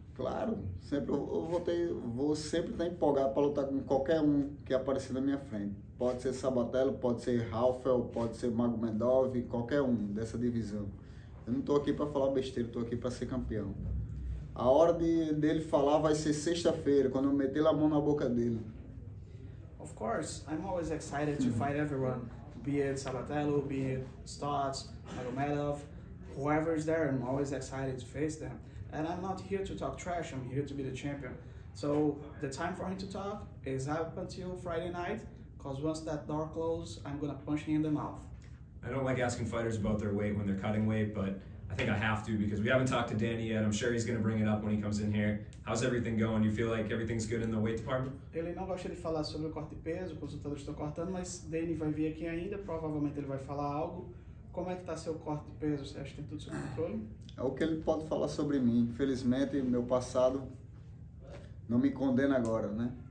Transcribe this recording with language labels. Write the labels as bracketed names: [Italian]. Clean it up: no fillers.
[Portuguese] Claro, sempre vou sempre estar empolgado para lutar com qualquer um que aparecer na minha frente. Pode ser Sabatello, pode ser Ralfel, pode ser Magomedov, qualquer um dessa divisão. Eu não estou aqui para falar besteira, estou aqui para ser campeão. A hora dele falar vai ser sexta-feira, quando eu meter a mão na boca dele. [English] Of course, I'm always excited to fight everyone. Be it Sabatello, be it Stotts, Magomedov, whoever is there, I'm always excited to face them. And I'm not here to talk trash, I'm here to be the champion. So the time for him to talk is up until Friday night, because once that door closes, I'm going to punch him in the mouth. I don't like asking fighters about their weight when they're cutting weight, but I think I have to because we haven't talked to Danny yet. I'm sure he's going to bring it up when he comes in here. How's everything going? You feel like everything's good in the weight department? [Portuguese] Ele não gosta de falar sobre o corte de peso, os consultores estão cortando, mas Danny vai vir aqui ainda, provavelmente ele vai falar algo. Como é que está seu corte de peso? Você acha que tem tudo sob controle? É o que ele pode falar sobre mim. Infelizmente, meu passado não me condena agora, né?